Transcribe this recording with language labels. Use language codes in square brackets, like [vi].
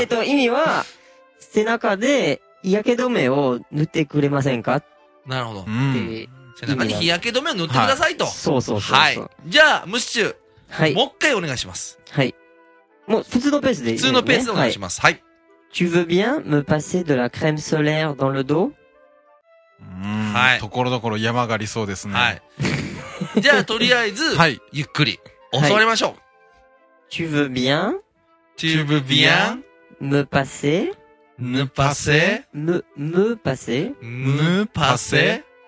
[ja] 意味は、背中で、日焼け止めを塗ってくれませんか？なるほど。って背中に日焼け止めを塗ってくださいと。はい、そうそうそう。はい。じゃあ、ムッシュ。はい。もう一回お願いします。はい。もう普通のペースでいい、ね、普通のペースでお願いします。はい。 [fr] Tu veux bien me passer de la crème solaire dans le dos? [ja] はい。ところどころ山がありそうですね。はい。じゃあとりあえず、はい。ゆっくり、教わりましょう。 [fr] Tu veux bien? Tu veux bien? Me passer? Me passer? Me passer? Me passer?